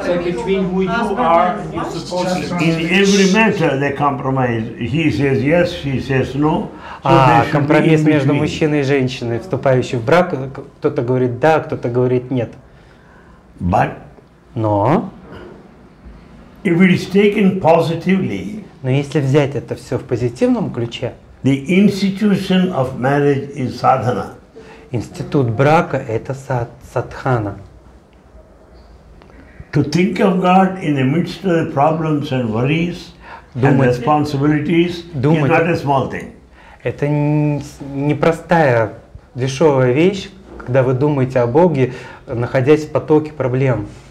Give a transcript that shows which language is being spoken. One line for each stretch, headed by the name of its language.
English: Between who you are and you're supposed to be. In every matter they compromise. He says yes, she says no.
Russian: А, компромисс между мужчиной и женщиной, вступающий в брак, кто-то говорит да, кто-то говорит нет.
English: But.
Russian: Но.
English: If it is taken positively.
Russian: Но если взять это все в позитивном ключе.
English: The institution of marriage is sadhana.
Russian: Институт брака – это садхана.
English: To think of God in the midst of the problems and worries and responsibilities is not a small thing.
Russian: Это не простая, дешевая вещь, когда вы думаете о Боге, находясь в потоке проблем.